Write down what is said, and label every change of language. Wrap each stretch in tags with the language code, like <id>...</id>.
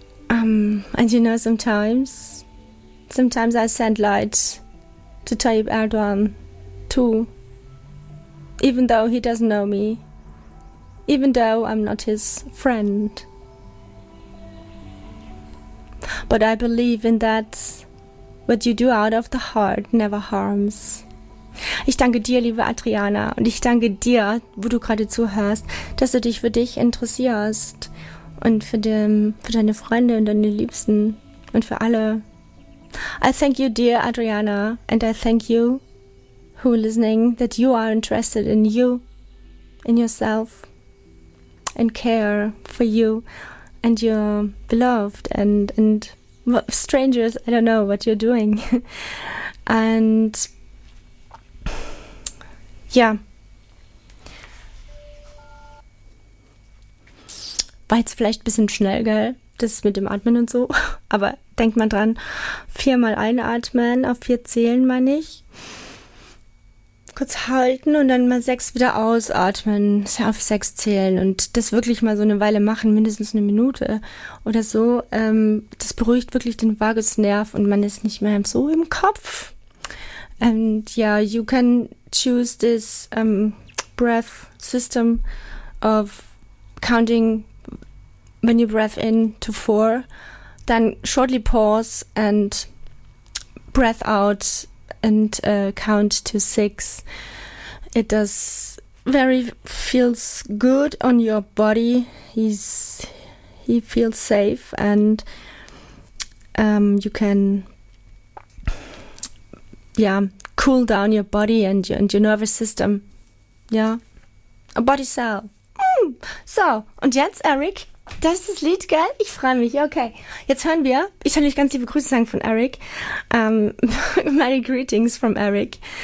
<en>And you know, sometimes I send light to Tayyip Erdogan too, even though he doesn't know me, even though I'm not his friend. But I believe in that what you do out of the heart never harms.</en> <de>Ich danke dir, liebe Adriana, und ich danke dir, wo du gerade zuhörst, dass du dich für dich interessierst und für deine Freunde und deine Liebsten und für alle.</de> <en>I thank you, dear Adriana, and I thank you, who are listening, that you are interested in you, in yourself, and care for you and your beloved and strangers. I don't know what you're doing. And ja.</en> <de>War jetzt vielleicht ein bisschen schnell, gell? Das mit dem Atmen und so. Aber denkt mal dran. 4-mal einatmen, auf 4 zählen meine ich. Kurz halten und dann mal 6 wieder ausatmen. Auf 6 zählen. Und das wirklich mal so eine Weile machen, mindestens eine Minute oder so. Das beruhigt wirklich den Vagusnerv und man ist nicht mehr so im Kopf.</de> <en>And yeah, you can choose this breath system of counting when you breath in to 4, then shortly pause and breath out and count to 6. It does very feels good on your body. He feels safe, and you can, yeah, cool down your body and your nervous system. Yeah. A body cell.</en> <de>So, und jetzt, Eric, das ist das Lied, gell? Ich freue mich. Okay, jetzt hören wir. Ich soll euch ganz liebe Grüße sagen von Eric.</de> <en>many greetings from Eric.</en>